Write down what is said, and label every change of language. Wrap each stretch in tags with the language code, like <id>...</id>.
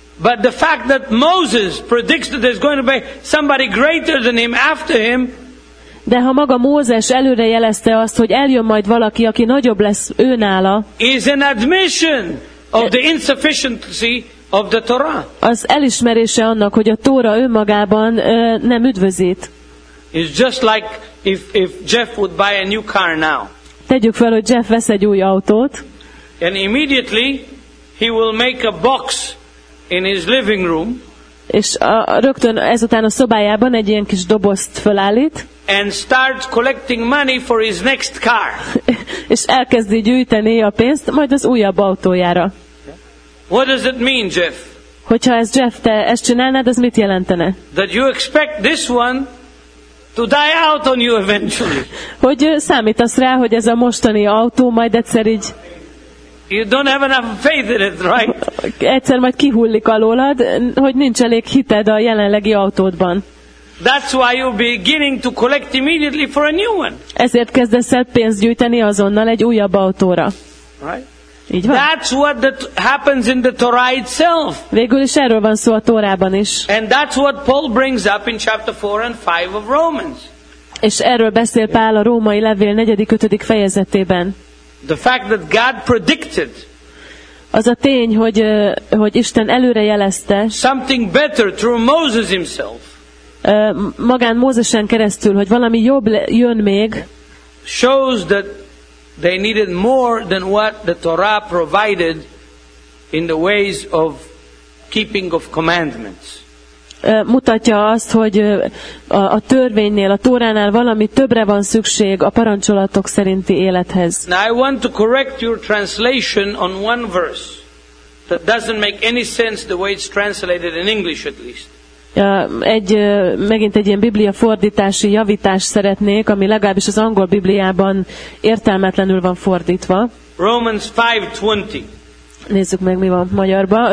<en>But the fact that Moses predicts that there's going to be somebody greater than him after him,</en> <hu>de ha maga Mózes előre jelezte azt, hogy eljön majd valaki, aki nagyobb lesz ő nála,</hu> <en>is an admission of the insufficiency of the Torah.</en> <hu>Az elismerése annak, hogy a Tóra önmagában nem üdvözít.</hu> <en>It's just like if Jeff would buy a new car now.</en> <hu>Tegyük fel, hogy Jeff vesz egy új autót.</hu> <en>And immediately he will make a box in his living room.</en> <hu>És rögtön ezután a szobájában egy ilyen kis dobozt felállít.</hu> <en>And start collecting money for his next car.</en> <hu>És elkezdi gyűjteni a pénzt majd az újabb autójára.</hu> <en>What does it mean, Jeff?</en> <hu>Hogyha ez Jeff, te ezt csinálnád, az mit jelentene?</hu> <en>That you expect this one to die out on you eventually.</en> <hu>Hogy számítasz rá, hogy ez a mostani autó majd egyszer így...</hu> <en>You don't have enough faith in it, right?</en> <hu>Egyszer majd kihullik alólad, hogy nincs elég hited a jelenlegi autódban.</hu> <en>That's why you're beginning to collect immediately for a new one.</en> <hu>Ezért kezdesz el pénzt gyűjteni azonnal egy újabb autóra.</hu> <en>Right?</en> <hu>Így van.</hu> <en>That's what happens in the Torah itself.</en> <hu>Végül is erről van szó a Tórában is.</hu> <en>And that's what Paul brings up in chapter 4 and 5 of Romans.</en> <hu>És erről beszél Pál a Római Levél 4.-5. fejezetében.</hu> <en>The fact that God predicted,</en> <hu>az a tény, hogy Isten előre jelezte</hu> <en>something better through Moses himself,</en> <hu>magán Mózesen keresztül, hogy valami jobb jön még,</hu> <en>shows that they needed more than what the Torah provided in the ways of keeping of commandments.</en> <hu>Mutatja azt, hogy a törvénynél, a Tóránál valami többre van szükség a parancsolatok szerinti élethez.</hu> <en>Now I want to correct your translation on one verse that doesn't make any sense the way it's translated in English at least.</en> <hu>Megint egy ilyen biblia fordítási javítást szeretnék, ami legalábbis az angol bibliában értelmetlenül van fordítva.</hu> <en>Romans 5:20.</en> <hu>Nézzük meg, mi van magyarban.</hu>